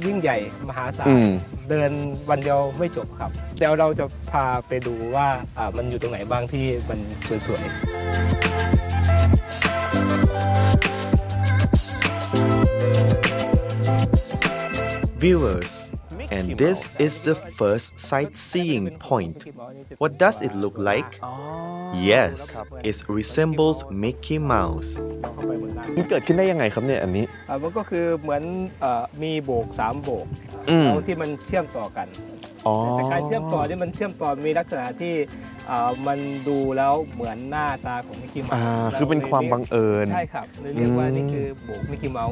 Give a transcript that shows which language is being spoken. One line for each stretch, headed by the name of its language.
Thai: ใหญ่มหาศาลเดินวันเดียวไม่จบครับเดี๋ยวเราจะพาไปดูว่ามันอยู่ตรงไหนบ้างที่มันสวย
English: ๆ Viewers and this is the first sightseeing point What does it look like Yes it resembles Mickey Mouse
Thai: มันเกิดขึ้นได้ยังไงครับเนี่ยอันนี้มันก็คือเหมือนมีโบก3โบกที่มันเชื่อมต่อกันแต่การเชื่อมต่อนี่มันเชื่อมต่อมีลักษณะที่มันดูแล้วเหมือนหน้าตาของมิกกี้เมาส์ คือเป็นความบังเอิญ ใช่ครับเรียกว่านี่คือโบกมิกกี้เมาส